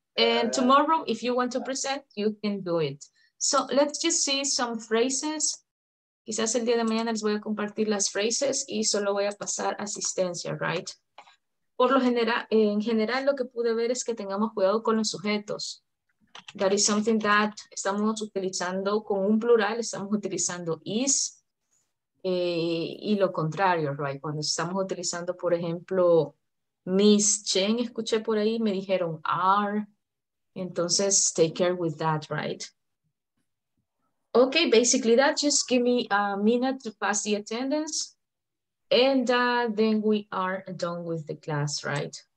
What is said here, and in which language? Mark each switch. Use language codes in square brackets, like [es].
[en] And tomorrow, if you want to present, you can do it. So let's just see some phrases. [es] Quizás el día de mañana les voy a compartir las frases y solo voy a pasar asistencia, right? Por lo general, en general, lo que pude ver es que tengamos cuidado con los sujetos. [en] That is something that [es] estamos utilizando con un plural, estamos utilizando is y lo contrario, right? Cuando estamos utilizando, por ejemplo, Miss Chen, escuché por ahí, me dijeron are. [en] Entonces, take care with that, right? Okay, basically that, just give me a minute to pass the attendance. And then we are done with the class, right?